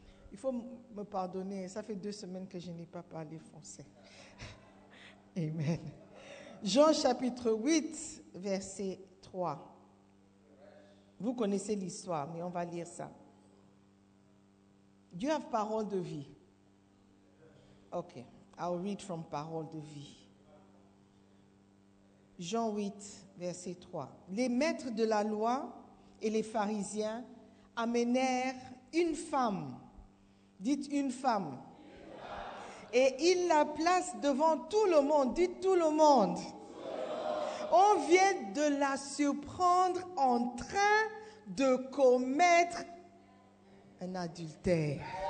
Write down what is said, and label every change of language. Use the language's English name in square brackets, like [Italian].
[French] Il faut me pardonner. Ça fait 2 semaines que je n'ai pas parlé français. Amen. Jean chapitre 8, verset 3. Vous connaissez l'histoire, mais on va lire ça. Dieu a parole de vie. OK. [English] I'll read from parole de vie. [French] Jean 8, verset 3. Les maîtres de la loi et les pharisiens amenèrent une femme. Dites une femme. Et ils la placent devant tout le monde. Dites tout le monde. On vient de la surprendre en train de commettre un adultère.